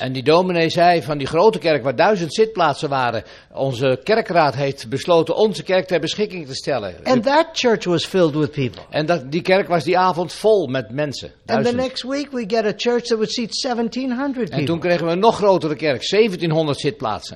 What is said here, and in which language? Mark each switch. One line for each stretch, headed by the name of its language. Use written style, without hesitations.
Dutch: En die dominee zei van die grote kerk waar 1,000 zitplaatsen zitplaatsen waren. Onze kerkraad heeft besloten onze kerk ter beschikking te stellen.
English: And that church was filled with people.
Dutch: En dat, die kerk was die avond vol met mensen.
English: And the next week we get a church that would seat 1700 people.
Dutch: En toen kregen we een nog grotere kerk, 1700 zitplaatsen.